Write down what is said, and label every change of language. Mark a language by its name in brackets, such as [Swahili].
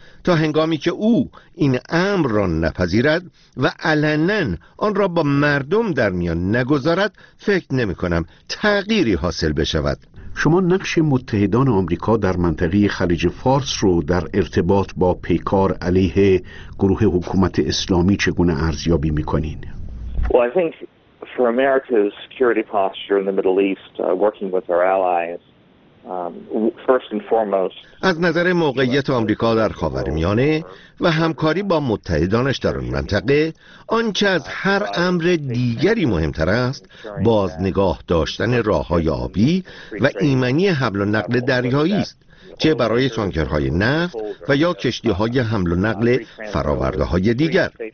[Persian] تا هنگامی که او این امر را نپذیرد و علناً آن را با مردم در میان نگذارد، فکر نمی‌کنم تغییری حاصل بشود. شما نقش متحدان آمریکا در منطقه خلیج فارس رو در ارتباط با پیکار علیه گروه حکومت اسلامی چگونه ارزیابی می‌کنین؟ [English] For America's security posture in the Middle East, working with our allies, first and foremost. [Persian] از نظر موقعیت آمریکا در خاورمیانه و همکاری با متحدانش در آن منطقه، آنچه از هر امر دیگری مهمتر است، باز نگاه داشتن راه‌های آبی و ایمنی حمل و نقل دریایی است، چه برای تانکرهای نفت و یا کشتی‌های حمل و نقل فراورده‌های دیگر.